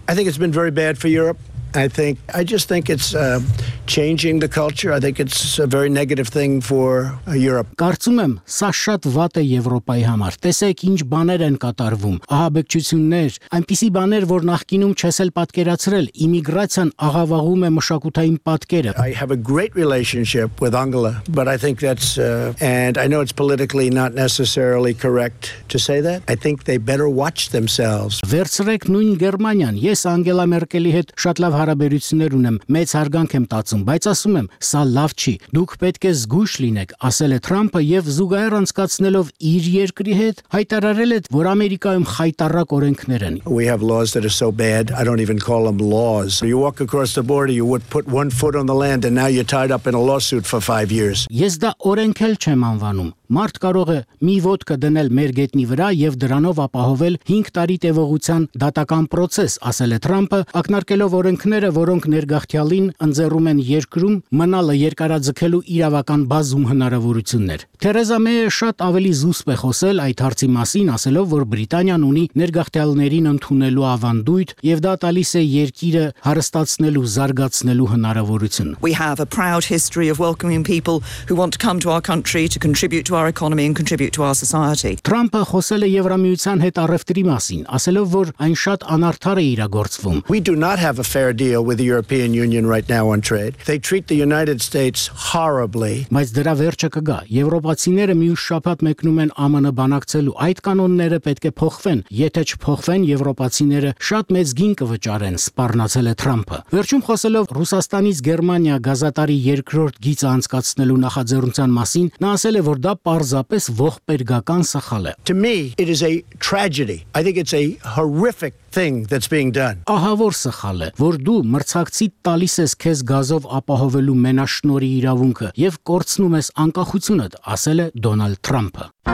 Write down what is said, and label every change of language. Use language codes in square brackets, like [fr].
[en] I think it's been very bad for Europe. I just think it's changing the culture. I think it's a very negative thing for Europe. [hy] Կարծում եմ, սա շատ վատ է Եվրոպայի համար։ Տեսեք, ինչ բաներ են կատարվում։ Ահաբեկչություններ, այնպիսի բաներ, որ նախկինում չես էլ պատկերացրել։ Իմիգրացիան աղավաղում է մշակութային պատկերը։ [en] I have a great relationship with Angela, but I think that's and I know it's politically not necessarily correct to say that. I think they better watch themselves. [hy] Վերցրեք նույն Գերմանիան, ես Անգելա Մերկելի հետ շատ լավ հարաբերություններ ունեմ, մեծ հարգանք եմ տածում, բայց ասում եմ, սա լավ չի, դուք պետք է զգուշ լինեք, ասել է Թրամփը, եւ զուգահեռ անցկացնելով իր երկրի հետ հայտարարել է, որ Ամերիկայում խայտառակ օրենքներ են. [en] We have laws that are so bad, I don't even call them laws. You walk across the border, you would put one foot on the land and now you're tied up in a lawsuit for 5 years. [hy] Ես դա օրենք էլ չեմ անվանում։ Մարդ կարող է մի ոտքը դնել մեր գետնի վրա եւ դրանով ապահովել 5 տարի տևողության դատական [en] process, [hy] ասել է Թրամփը, ակնարկելով օրենքները, որոնք ներգաղթյալին ընձեռում են երկրում մնալը երկարաձգելու իրավական բազում հնարավորություններ։ Թերեզա Մեյը շատ ավելի զուսպ է խոսել այդ հարցի մասին, ասելով, որ Բրիտանիան ունի ներգաղթյալներին ընդունելու ավանդույթ եւ դա տալիս է երկիրը հարստացնելու, զարգացնելու հնարավորություն։ [en] We have a proud history of welcoming people who want to come to our country to contribute to our economy and contribute to our society. [hy] Թրամփը խոսել է Եվրամիության հետ առևտրի մասին, ասելով, որ այն շատ անարդար է իրագործվում։ [en] We do not have a fair deal with the European Union right now on trade. They treat the United States horribly. [hy] Մայց դրա վերջը կգա։ Եվրոպացիները միուս շաբաթ մեկնում են ԱՄՆ բանակցելու։ Այդ կանոնները պետք է փոխվեն, եթե չփոխվեն, եվրոպացիները շատ մեծ գին կվճարեն, սպառնացել է Թրամփը։ Վերջում խոսելով Ռուսաստանից Գերմանիա գազատարի երկրորդ գիծը անցկացնելու նախաձեռնության մասին, նա ասել է, որ դա պարզապես ողբերգական սխալ է։ [en] To me, it is a tragedy. I think it's a horrific thing that's being done. [hy] Ահավոր սխալ է, որ դու մրցակցի տալիս ես քեզ գազով ապահովելու մենաշնորի իրավունքը եւ կորցնում ես անկախությունդ, ասել է Դոնալդ Թրամփը։